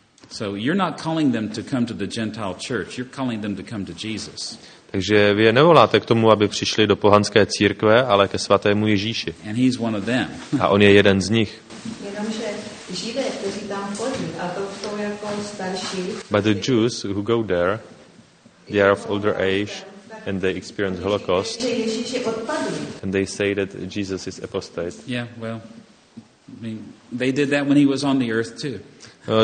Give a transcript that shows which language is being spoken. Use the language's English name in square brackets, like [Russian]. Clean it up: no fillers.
[English] So you're not calling them to come to the Gentile church. You're calling them to come to Jesus. [Czech] Takže vy je nevoláte k tomu, aby přišli do pohanské církve, ale ke svatému Ježíši. [English] And he's one of them. [Czech] A on je jeden z nich. Jenomže Židé, kteří tam chodí, a to jsou jako starší. [English] But the Jews who go there, they are of older age and they experience Holocaust. [Czech] Ježíši odpadli. [English] And they say that Jesus is apostate. Yeah, well. I mean, they did that when he was on the earth too.